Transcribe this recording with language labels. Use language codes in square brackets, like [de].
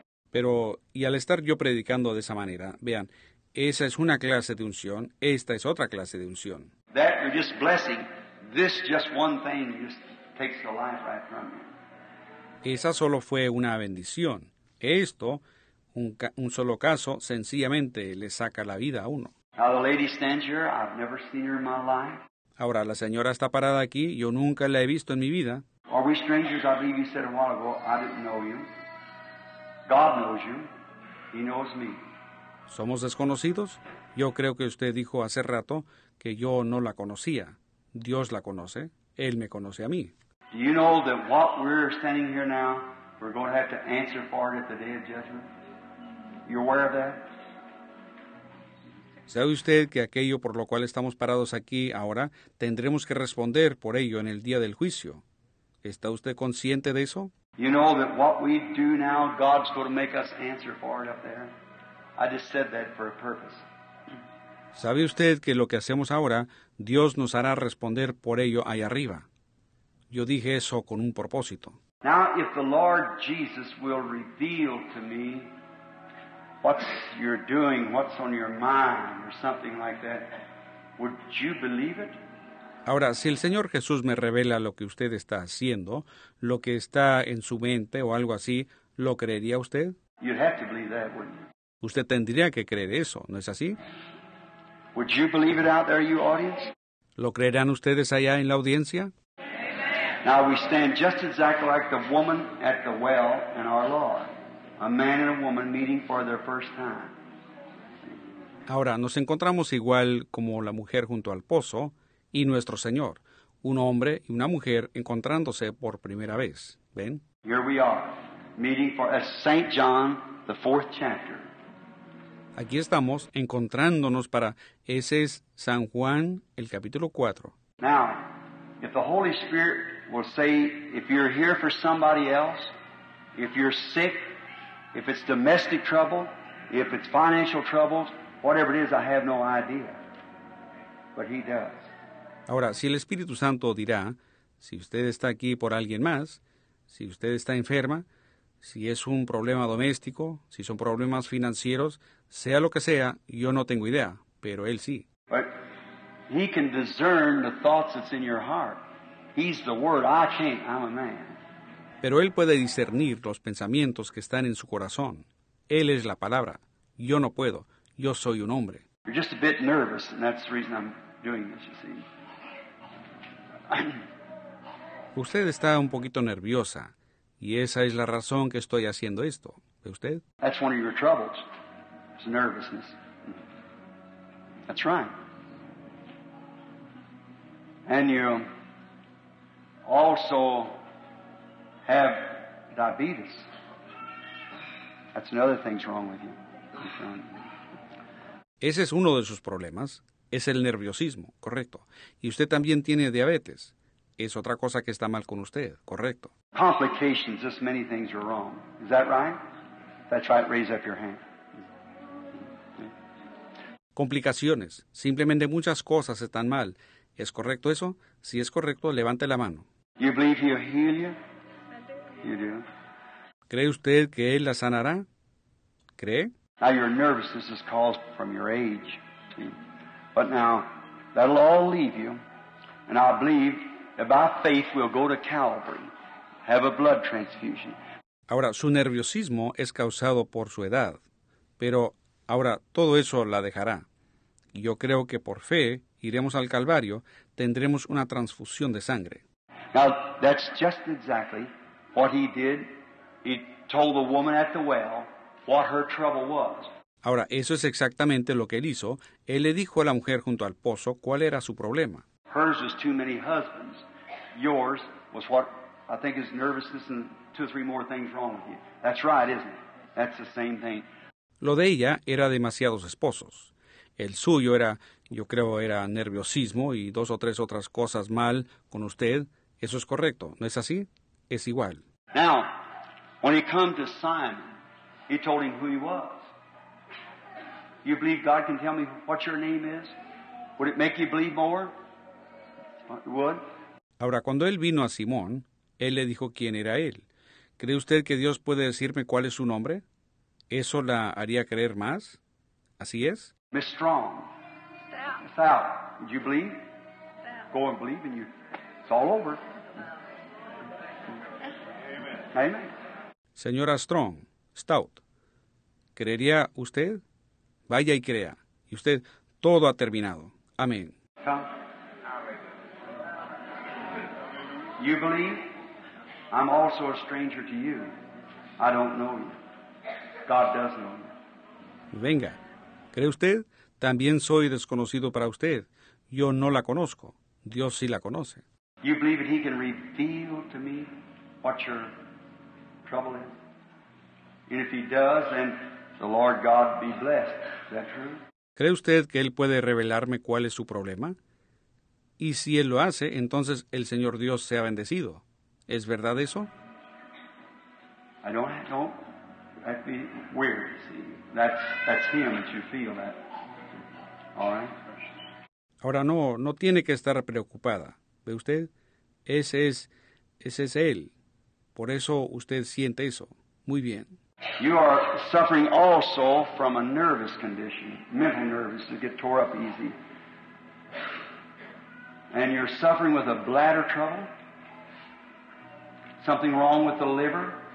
[es] Pero, y al estar yo predicando de esa manera, vean, esa es una clase de unción, esta es otra clase de unción. [en] That you're just blessing, this just one thing just takes the life right from you. [es] Esa solo fue una bendición. Esto, un solo caso, sencillamente le saca la vida a uno. [en] Now the lady stands here, I've never seen her in my life. [es] Ahora, la señora está parada aquí. Yo nunca la he visto en mi vida. [en] Are we strangers? I believe you said a while ago, I didn't know you. God knows you. He knows me. [es] ¿Somos desconocidos? Yo creo que usted dijo hace rato que yo no la conocía. Dios la conoce. Él me conoce a mí. [en] Do you know that what we're standing here now, we're going to have to answer for it at the day of judgment? You're aware of that? [es] ¿Sabe usted que aquello por lo cual estamos parados aquí ahora, tendremos que responder por ello en el día del juicio? ¿Está usted consciente de eso? [en] You know that what we do now, God's going to make us answer for it up there. I just said that for a purpose. [es] ¿Sabe usted que lo que hacemos ahora, Dios nos hará responder por ello allá arriba? Yo dije eso con un propósito. [en] Now, if the Lord Jesus will reveal to me what you're doing, what's on your mind, or something like that, would you believe it? [es] Ahora, si el Señor Jesús me revela lo que usted está haciendo, lo que está en su mente o algo así, ¿lo creería usted? [en] You'd have to believe that, wouldn't you? [es] Usted tendría que creer eso, ¿no es así? [en] Would you believe it out there, you audience? [es] ¿Lo creerán ustedes allá en la audiencia? [en] Now we stand just exactly like the woman at the well in our Lord. A man and a woman meeting for their first time. [es] Ahora, nos encontramos igual como la mujer junto al pozo y nuestro Señor. Un hombre y una mujer encontrándose por primera vez. ¿Ven? [en] Here we are, meeting for a St. John, the fourth chapter. [es] Aquí estamos encontrándonos para, ese es San Juan, el capítulo 4. [en] Now, if the Holy Spirit will say, if you're here for somebody else, if you're sick, if it's domestic trouble, if it's financial troubles, whatever it is, I have no idea. But he does. [es] Ahora, si el Espíritu Santo dirá, si usted está aquí por alguien más, si usted está enferma, si es un problema doméstico, si son problemas financieros, sea lo que sea, yo no tengo idea, pero él sí. [en] But he can discern the thoughts that's in your heart. He's the word. I can't. I'm a man. [es] Pero él puede discernir los pensamientos que están en su corazón. Él es la palabra. Yo no puedo. Yo soy un hombre. [en] You're just a bit nervous, and that's the reason I'm doing this, you see. [es] Usted está un poquito nerviosa, y esa es la razón que estoy haciendo esto. ¿Ve usted? [en] That's one of your troubles. It's nervousness. That's right. And you also have diabetes. That's another thing's wrong with you. [es] Ese es uno de sus problemas. Es el nerviosismo, correcto. Y usted también tiene diabetes. Es otra cosa que está mal con usted, correcto. [en] Complications, just many things are wrong. Is that right? That's right. Raise up your hand. [es] Complicaciones. Simplemente muchas cosas están mal. ¿Es correcto eso? Si es correcto, levante la mano. [en] You believe he'll heal you? You do. [es] ¿Cree usted que él la sanará? ¿Cree? [en] Now your nervousness is caused from your age. But now, that'll all leave you. And I believe that by faith we'll go to Calvary, have a blood transfusion. [es] Ahora, su nerviosismo es causado por su edad. Pero ahora, todo eso la dejará. Yo creo que por fe, iremos al Calvario, tendremos una transfusión de sangre. [en] Now, that's just exactly what he did. He told the woman at the well what her trouble was. [es] Ahora, eso es exactamente lo que él hizo. Él le dijo a la mujer junto al pozo cuál era su problema. [en] Hers was too many husbands. Yours was what I think is nervousness and two or three more things wrong with you. That's right, isn't it? That's the same thing. [es] Lo de ella era demasiados esposos. El suyo era, yo creo, era nerviosismo y dos o tres otras cosas mal con usted. Eso es correcto, ¿no es así? Es igual. [en] Now, when he come to Simon, he told him who he was. You believe God can tell me what your name is? Would it make you believe more? It would. [es] Ahora, cuando él vino a Simón, él le dijo quién era él. ¿Cree usted que Dios puede decirme cuál es su nombre? ¿Eso la haría creer más? ¿Así es? [en] Miss Strong. Sal. Do you believe? Sal. Go and believe and you. It's all over. Amen. Amen. [es] Señora Strong, Stout, ¿creería usted? Vaya y crea. Y usted, todo ha terminado. Amén. [en] You believe? I'm also a stranger to you. I don't know you. God does know you. [es] Venga, ¿cree usted? También soy desconocido para usted. Yo no la conozco. Dios sí la conoce. [en] You believe that he can reveal to me what your trouble is? And if he does, then the Lord God be blessed. Is that true? [es] ¿Cree usted que él puede revelarme cuál es su problema? Y si él lo hace, entonces el Señor Dios sea bendecido. ¿Es verdad eso? [en] I don't. That'd be weird. See, that's him that you feel that. All right. [es] Ahora no tiene que estar preocupada. ¿Ve usted? Ese es él. Por eso usted siente eso. Muy bien. [en] You are suffering also from a nervous condition. Mental nerves that get tore up easy. And you're suffering with a bladder trouble. Something wrong with the liver.